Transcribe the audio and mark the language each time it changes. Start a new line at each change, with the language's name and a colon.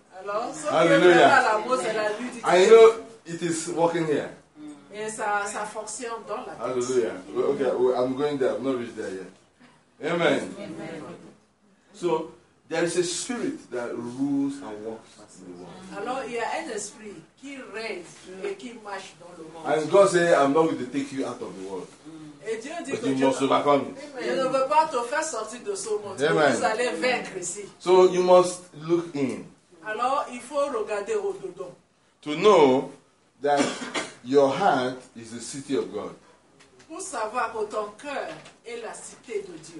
French: Alors ce qui est vraiment à la mode c'est la nudité.
English: And you know it is working here.
French: Et ça fonctionne dans la. Hallelujah.
English: Okay, I'm going there. I'm not reached there yet. Amen. Amen. So there is a spirit that rules and walks in the world.
French: Alors il y a un esprit qui règne et qui marche dans le monde.
English: And God says, "I'm not going to take you out of the world."
French: Et Dieu dit
English: but you must overcome it.
French: Je ne veux pas te faire sortir de ce monde. Vous allez vaincre ici.
English: So you must look in.
French: Alors il faut regarder au-dedans.
English: To know that your heart is the city of God.
French: Pour savoir que ton cœur est la cité de Dieu.